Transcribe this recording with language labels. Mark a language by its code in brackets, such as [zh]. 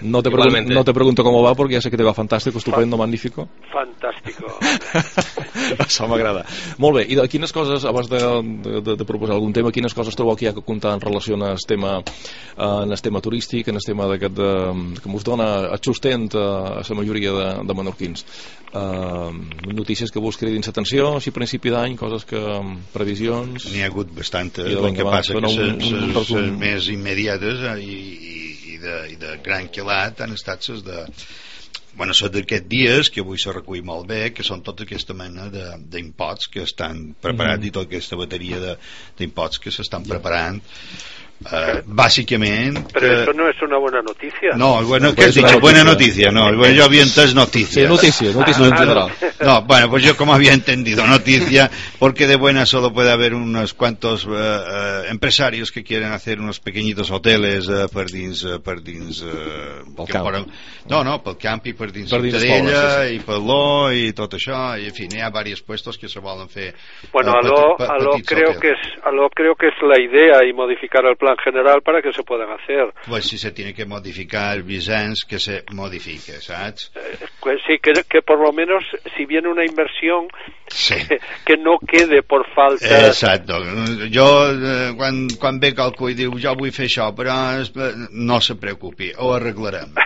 [es] No te pregunto cómo va, porque ya sé que te va fantástico, estupendo, magnífico. Fantástico. [ca] Això m'agrada. Molt bé, i de quines coses, abans de proposar algun tema, quines coses trobo aquí a comptar en relació amb el tema turístic, en el tema d'aquest que mos dona sustent a la majoria de menorquins? Notícies que vos cridin l'atenció, així a principi d'any, coses que... previsions... N'hi ha hagut bastant, el que passa que les més immediates i de gran quilat han estat les de... Bueno, són d'aquests dies que avui s'ha recollit molt bé, que són tota aquesta mena d'impots que estan preparats i tota aquesta bateria d'impots que s'estan preparant. Bàsicament... Però això no és una bona notícia. No, bueno, què has dit? Bona notícia. No, bueno, jo havia entès notícia. Sí, notícia en general. [es] No, bueno, pues yo como había entendido notícia, porque de buena solo puede haber unos cuantos empresarios que quieren hacer unos pequeñitos hoteles [ca] per dins... Pel camp. No, pel camp i per dins Ciutadella, sí. I per l'O i tot això, i en fi, hi ha diversos puestos que se volen fer. [es] Bueno, a lo creo que es la idea y modificar el plan general para que se puedan hacer. Pues si se tiene que modificar, Vicenç, que se modifique, ¿sabes? Pues sí, que por lo menos si viene una inversión, sí. Que no quede por falta. Exacto. [ca] Yo quan ve qualcú i diu, jo vull fer això, però no se preocupi, ho arreglarem.